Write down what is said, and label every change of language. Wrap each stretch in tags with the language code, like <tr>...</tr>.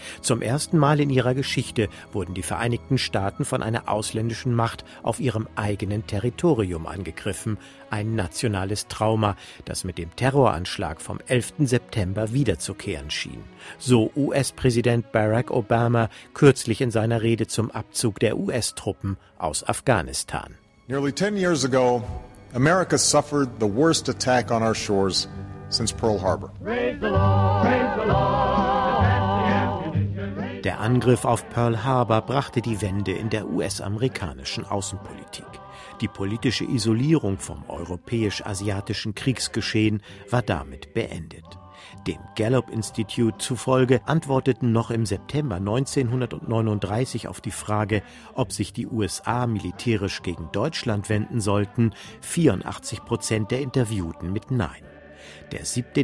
<de>Zum ersten Mal in ihrer Geschichte wurden die Vereinigten Staaten von einer ausländischen Macht auf ihrem eigenen Territorium angegriffen. Ein nationales Trauma, das mit dem Terroranschlag vom 11. September wiederzukehren schien. So US-Präsident Barack Obama kürzlich in seiner Rede zum Abzug der US-Truppen aus Afghanistan.</de> <en>Nearly 10 years ago, America suffered the worst attack on our shores since Pearl Harbor. Praise the Lord, praise the Lord.</en> <de>Der Angriff auf Pearl Harbor brachte die Wende in der US-amerikanischen Außenpolitik. Die politische Isolierung vom europäisch-asiatischen Kriegsgeschehen war damit beendet. Dem Gallup-Institut zufolge antworteten noch im September 1939 auf die Frage, ob sich die USA militärisch gegen Deutschland wenden sollten, 84% der Interviewten mit Nein. Der 7.</de>